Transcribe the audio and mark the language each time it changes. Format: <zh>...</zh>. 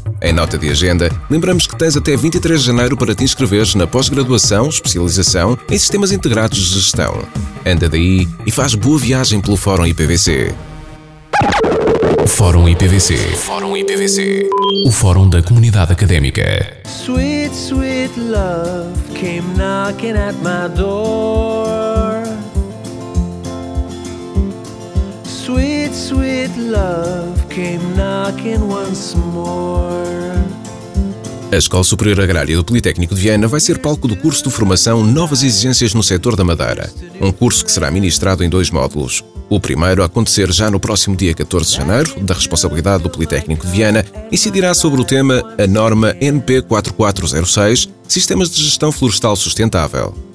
<pt>Em nota de agenda, lembramos que tens até 23 de janeiro para te inscreveres na pós-graduação, especialização, em Sistemas Integrados de Gestão. Anda daí e faz boa viagem pelo Fórum IPVC. Fórum IPVC. Fórum IPVC. O Fórum da Comunidade Académica.</pt> <en>Sweet, sweet love came knocking at my door. Sweet, sweet love came knocking once more.</en> <pt>A Escola Superior Agrária do Politécnico de Viena vai ser palco do curso de formação Novas Exigências no Setor da Madeira. Um curso que será ministrado em dois módulos. O primeiro, a acontecer já no próximo dia 14 de janeiro, da responsabilidade do Politécnico de Viena, incidirá sobre o tema a norma NP4406, Sistemas de Gestão Florestal Sustentável.</pt>